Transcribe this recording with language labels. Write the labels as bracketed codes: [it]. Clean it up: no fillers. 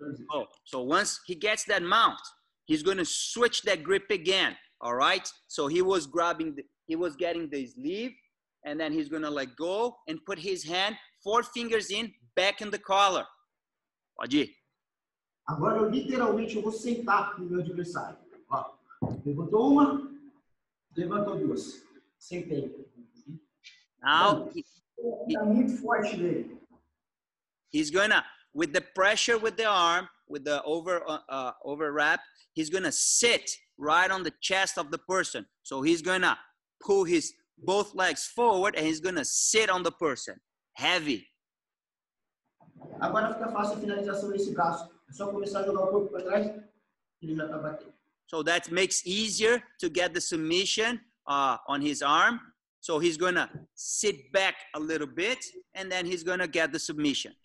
[en] Oh, so once he gets that mount, he's going to switch that grip again, all right? So he was getting the sleeve, and then he's going to let go and put his hand, four fingers in, back in the collar. [pt] Pode ir. Agora, literalmente, eu vou sentar no meu adversário. Ó, levantou uma, levantou duas. Sentei. [en] Now, [pt] tá muito forte nele. [en] He's gonna, with the pressure with the arm, with the over wrap, he's gonna sit right on the chest of the person. So he's gonna pull his both legs forward and he's gonna sit on the person. Heavy. [pt] Agora fica fácil a finalização desse braço. É só começar a jogar o corpo para trás e ele já está batendo. [en] So that makes easier to get the submission on his arm. So he's going to sit back a little bit and then he's going to get the submission.